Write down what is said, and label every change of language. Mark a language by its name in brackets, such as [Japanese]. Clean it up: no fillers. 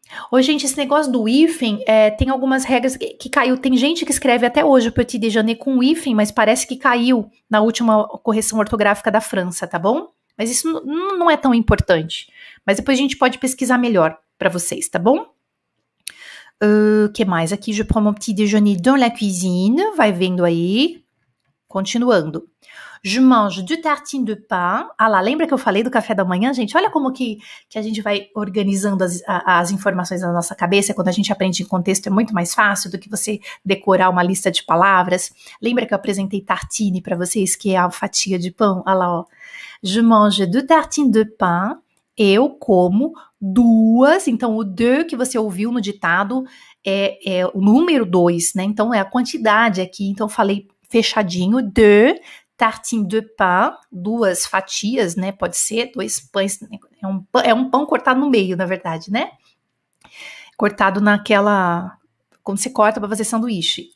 [Portuguese] Oi, gente, esse negócio do hífen, tem algumas regras que caiu. Tem gente que escreve até hoje o petit déjeuner com hífen, mas parece que caiu na última correção ortográfica da França, tá bom? Mas isso não é tão importante. Mas depois a gente pode pesquisar melhor pra vocês, tá bom? O que mais aqui? [French] Je prends mon petit déjeuner dans la cuisine. [Portuguese] Vai vendo aí. Continuando. [French] Je mange du tartine de pain. [Portuguese] Ah lá, lembra que eu falei do café da manhã, gente? Olha como que a gente vai organizando as informações na nossa cabeça. Quando a gente aprende em contexto, é muito mais fácil do que você decorar uma lista de palavras. Lembra que eu apresentei tartine para vocês, que é a fatia de pão? Ah lá, ó. [French] Je mange du tartine de pain. [Portuguese] Eu como duas. Então, o de que você ouviu no ditado é o número dois, né? Então, é a quantidade aqui. Então, eu falei fechadinho, [French] de tartine de pain, [Portuguese] duas fatias, né, pode ser, dois pães, é um pão cortado no meio, na verdade, né, cortado naquela, quando você corta para fazer sanduíche.